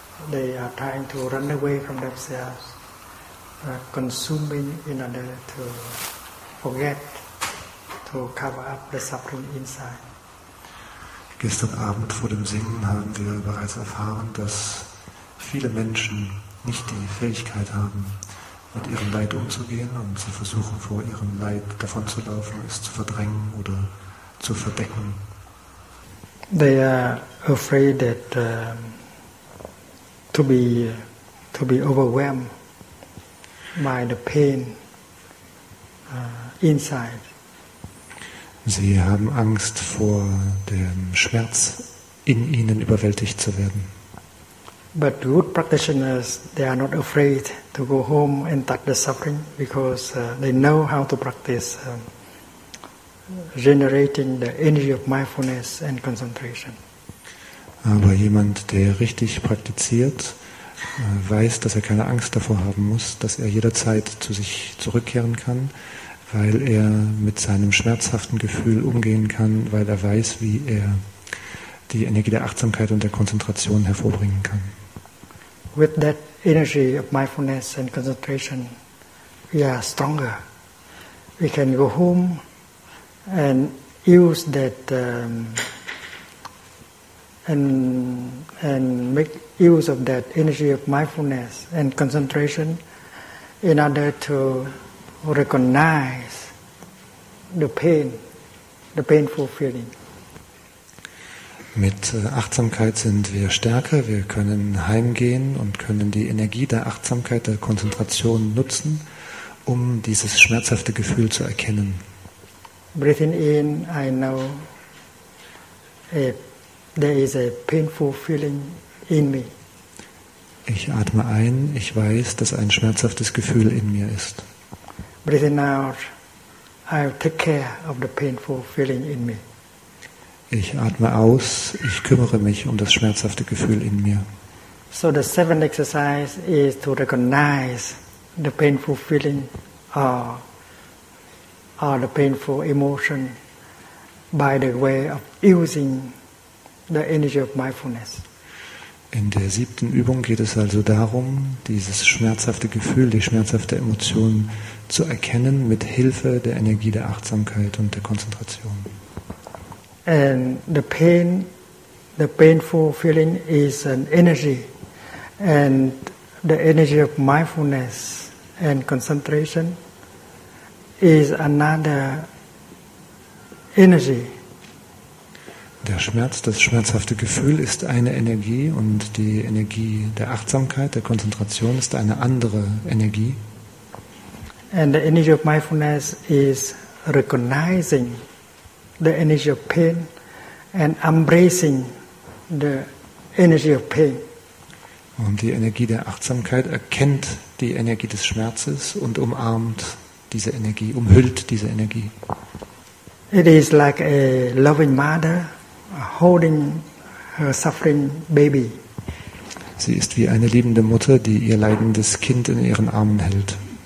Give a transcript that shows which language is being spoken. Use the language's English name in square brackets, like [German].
[English] They are trying to run away from themselves, consuming in order to forget, to cover up the suffering inside. [German] Gestern Abend vor dem Singen haben wir bereits erfahren, dass viele Menschen nicht die Fähigkeit haben, mit ihrem Leid umzugehen, und sie versuchen, vor ihrem Leid davonzulaufen, es zu verdrängen oder zu verdecken. [English] They are afraid that to be overwhelmed by the pain inside. [German] Sie haben Angst vor dem Schmerz in ihnen überwältigt zu werden. [English] But good practitioners, they are not afraid to go home and touch the suffering because they know how to practice generating the energy of mindfulness and concentration. [German] Aber jemand, der richtig praktiziert, weiß, dass er keine Angst davor haben muss, dass er jederzeit zu sich zurückkehren kann, weil er mit seinem schmerzhaften Gefühl umgehen kann, weil er weiß, wie er die Energie der Achtsamkeit und der Konzentration hervorbringen kann. [English] With that energy of mindfulness and concentration, we are stronger. We can go home and use that and make use of that energy of mindfulness and concentration in order to recognize the pain, the painful feeling. [German] Mit Achtsamkeit sind wir stärker, wir können heimgehen und können die Energie der Achtsamkeit, der Konzentration nutzen, um dieses schmerzhafte Gefühl zu erkennen. [English] Breathing in, I know there is a painful feeling in me. [German] Ich atme ein, ich weiß, dass ein schmerzhaftes Gefühl in mir ist. [English] Breathing out, I'll take care of the painful feeling in me. [German] Ich atme aus, ich kümmere mich um das schmerzhafte Gefühl in mir. [English] So the seventh exercise is to recognize the painful feeling or the painful emotion by the way of using the energy of mindfulness. [German] In der siebten Übung geht es also darum, dieses schmerzhafte Gefühl, die schmerzhafte Emotion zu erkennen mit Hilfe der Energie der Achtsamkeit und der Konzentration. [English] And the pain, the painful feeling is an energy, and the energy of mindfulness and concentration is another energy. [German] Der Schmerz, das schmerzhafte Gefühl ist eine Energie und die Energie der Achtsamkeit, der Konzentration ist eine andere Energie. [English] And the energy of mindfulness is recognizing the energy of pain and embracing the energy of pain. [German] Und die Energie der Achtsamkeit erkennt die Energie des Schmerzes und umarmt diese Energie, umhüllt diese Energie. [English] It is like a loving mother holding her suffering baby. [German] Sie ist wie eine liebende Mutter, die ihr leidendes Kind in ihren Armen hält.